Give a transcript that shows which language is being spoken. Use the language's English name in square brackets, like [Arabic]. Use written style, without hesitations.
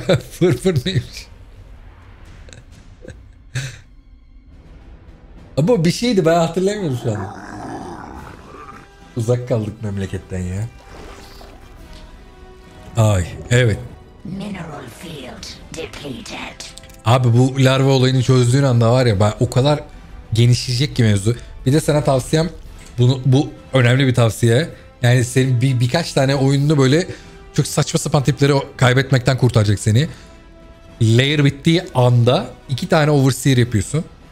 [Turkish] Fırfır neymiş? Ama bir şeydi ben hatırlamıyorum şu an. Uzak kaldık memleketten ya. Ay evet. [English] Mineral field depleted. [Turkish] Abi bu larva olayını çözdüğün anda var ya ben o kadar genişleyecek ki mevzu. Bir de sana tavsiyem bu önemli bir tavsiye. Yani senin birkaç tane oyununu böyle çok saçma sapan tipleri kaybetmekten kurtaracak seni. Layer bittiği anda 2 tane overseer yapıyorsun.